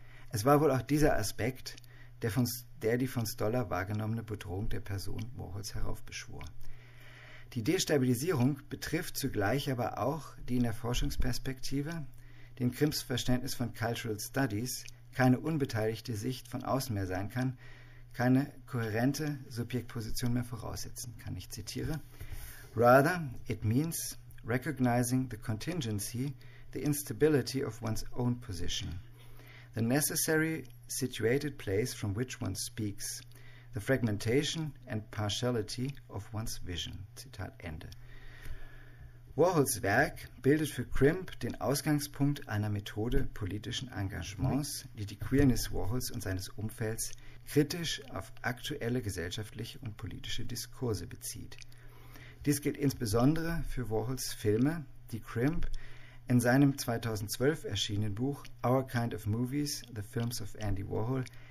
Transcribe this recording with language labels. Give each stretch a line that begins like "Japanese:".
German: Es war wohl auch dieser Aspekt, der die von Stoller wahrgenommene Bedrohung der Person Warhols heraufbeschwor. Die Destabilisierung betrifft zugleich aber auch die in der Forschungsperspektive, dem Grimps Verständnis von Cultural Studies, keine unbeteiligte Sicht von außen mehr sein kann, keine kohärente Subjektposition mehr voraussetzen kann. Ich zitiere,
English: rather, it means recognizing the contingency, the instability of one's own position, the necessary situated place from which one speaks, the fragmentation and partiality of one's vision.
German: Zitat Ende. Warhols Werk bildet für Grimp den Ausgangspunkt einer Methode politischen Engagements, die die Queerness Warhols und seines Umfelds kritisch auf aktuelle gesellschaftliche und politische Diskurse bezieht. Dies gilt insbesondere für Warhols Filme, die Grimp in seinem 2012 erschienenen Buch Our Kind of Movies, The Films of Andy Warhol,